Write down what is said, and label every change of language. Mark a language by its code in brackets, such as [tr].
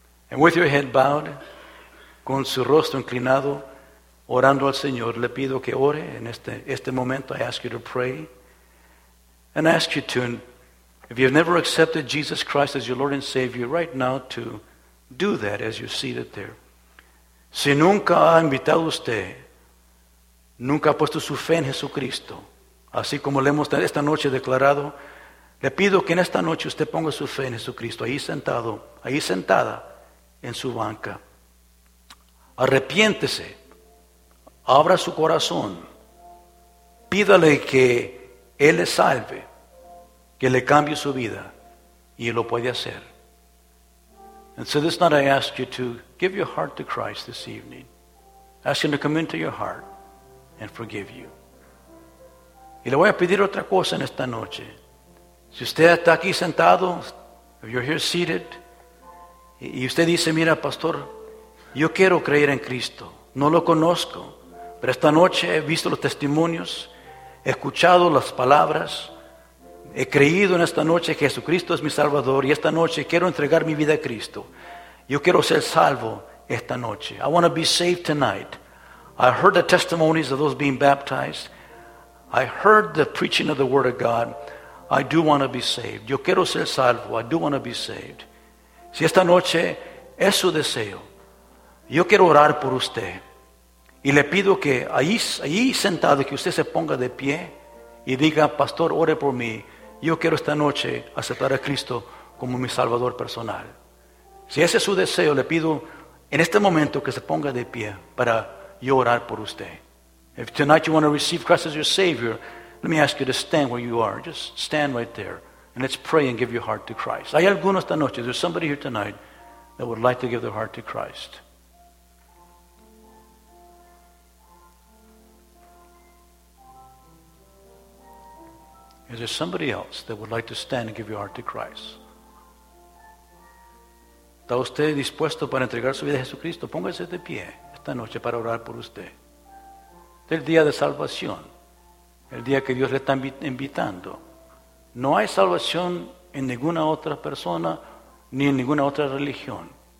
[en] And with your head bowed, [es] con su rostro inclinado, orando al Señor, le pido que ore en este momento. [en] I ask you to pray. And I ask you to, if you've never accepted Jesus Christ as your Lord and Savior, right now to do that as you're seated there. [es] Si nunca ha invitado usted, nunca ha puesto su fe en Jesucristo, así como le hemos esta noche declarado, le pido que en esta noche usted ponga su fe en Jesucristo, ahí sentado, ahí sentada en su banca. Arrepiéntese, abra su corazón, pídale que Él le salve, que le cambie su vida, y lo puede hacer. [en] And so this night I ask you to give your heart to Christ this evening. I ask Him to come into your heart and forgive you. [es] Y le voy a pedir otra cosa en esta noche. Si usted está aquí sentado, [en] if you're here seated, [es] y usted dice, mira, pastor, yo quiero creer en Cristo. No lo conozco, pero esta noche he visto los testimonios, he escuchado las palabras, he creído en esta noche que Jesucristo es mi Salvador y esta noche quiero entregar mi vida a Cristo. Yo quiero ser salvo esta noche. [en] I want to be saved tonight. I heard the testimonies of those being baptized. I heard the preaching of the Word of God. I do want to be saved. [es] Yo quiero ser salvo. [en] I do want to be saved. [es] Si esta noche es su deseo, yo quiero orar por usted. Y le pido que ahí sentado que usted se ponga de pie y diga, pastor, ore por mí. Yo quiero esta noche aceptar a Cristo como mi Salvador personal. Si ese es su deseo, le pido en este momento que se ponga de pie para yo orar por usted. [en] If tonight you want to receive Christ as your Savior, let me ask you to stand where you are. Just stand right there. And let's pray and give your heart to Christ. [es] Hay algunos esta noche. [en] There's somebody here tonight that would like to give their heart to Christ. Is there somebody else that would like to stand and give your heart to Christ? [es] ¿Está usted dispuesto para entregar su vida a Jesucristo? Póngase de pie esta noche para orar por usted. Este es el día de salvación, el día que Dios le está invitando. No hay salvación en ninguna otra persona ni en ninguna otra religión.